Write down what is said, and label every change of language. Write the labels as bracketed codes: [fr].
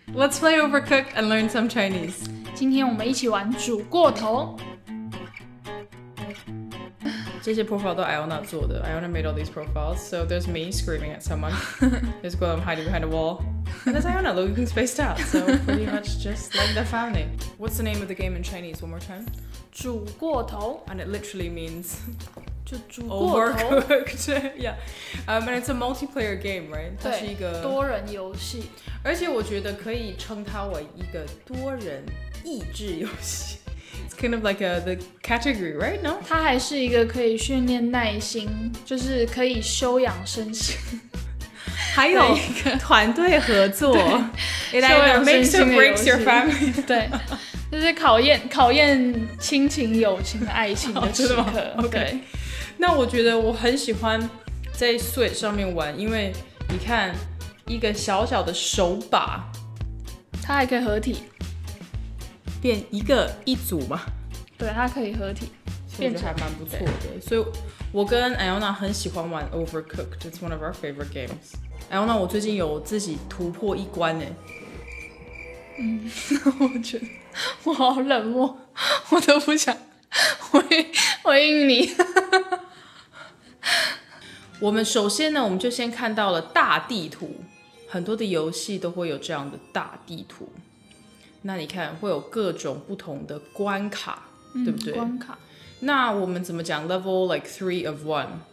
[en] Let's play Overcooked and learn some Chinese. [zh] 今天我们一起玩煮过头。这些 profile 都 Iona 做的 [en] ，Iona made all these profiles. So there's me screaming at someone. There's Guillaume hiding behind a wall. And there's Iona looking spaced out. So pretty much just like the family. What's the name of the game in Chinese? One more time. [zh] 煮过头。 [en] And it literally means. [zh] 就煮 [en] 过头。Overcooked. Yeah. And it's a multiplayer game, right? [zh] 对。它是一个多人游戏。而且我觉得可以称它为一个多人益智游戏。 [en] It's kind of like the category, right? No? [zh] 它还是一个可以训练耐心，就是可以修养身心。还有团队合作。 [en] It either makes or breaks your family. [zh] 对，就是考验亲情、友情、爱情的时刻。真的吗？ [en] Okay. [zh] 那我觉得我很喜欢在 Switch 上面玩，因为你看一个小小的手把，它还可以合体。变一个一组嘛，对，它可以合体，变得还蛮不错的。所以，我跟 Iona 很喜欢玩 Overcooked， [en] it's one of our favorite games。 [zh] Iona， 我最近有自己突破一关哎。嗯，我觉得我好冷漠，我都不想回应你。我们首先呢，我们就先看到了大地图，很多的游戏都会有这样的大地图。那你看会有各种不同的关卡、嗯、对不对关卡那我们怎么讲 [en] level like three of one